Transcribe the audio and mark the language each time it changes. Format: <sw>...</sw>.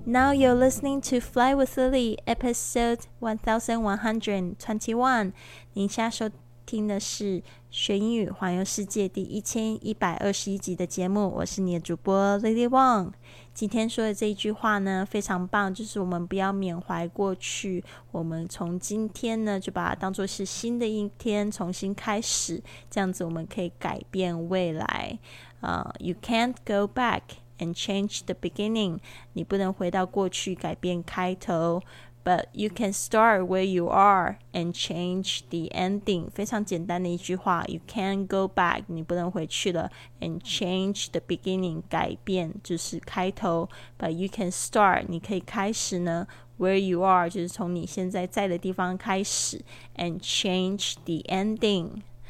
<en>Now you're listening to Fly with Lily, episode 1121.</en> <zh>您现在收听的是学英语环游世界第1121集的节目，我是你的主播 Lily Wong。今天说的这一句话呢非常棒，就是我们不要缅怀过去，我们从今天呢就把它当作是新的一天，重新开始，这样子我们可以改变未来。</zh> <en>You can't go backand change the beginning,</en> <zh>你不能回到过去改变开头，</zh> <en>but you can start where you are and change the ending.</en> <zh>非常简单的一句话，</zh> <en>you can't go back,</en> <zh>你不能回去了，</zh> <en>and change the beginning,</en> <zh>改变就是开头，</zh> <en>but you can start,</en> <zh>你可以开始呢，</zh> <en>where you are,</en> <zh>就是从你现在在的地方开始，</zh> <en>and change the ending.</en>